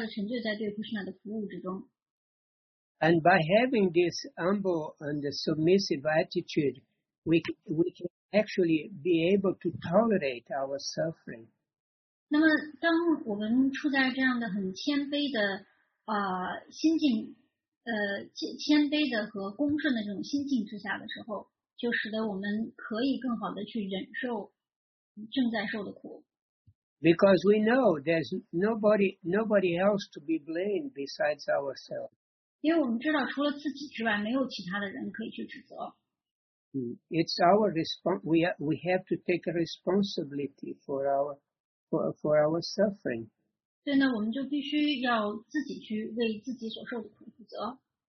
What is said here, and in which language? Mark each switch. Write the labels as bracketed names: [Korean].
[Chinese] 而我们现在呢，就是通过这种苦痛呢，使得我们可以向Krishna去进行更深刻的这种祈祷，祈祷着祈祷他使我们能够不会再去犯之前的这个错误，然后呢，让自己更加的沉醉在对Krishna的服务之中。 [English] And by having this humble and submissive attitude, we can actually be able to tolerate our suffering. [Chinese] 那么当我们处在这样的很谦卑的心境，谦卑的和恭顺的这种心境之下的时候，就使得我们可以更好的去忍受正在受的苦。 [English] Because we know there's nobody else to be blamed besides ourselves. [Chinese] 因为我们知道除了自己之外，没有其他的人可以去指责。 [English] It's our response. We have to take a responsibility for our suffering. [Chinese] 对呢，我们就必须要自己去为自己所受的苦负责。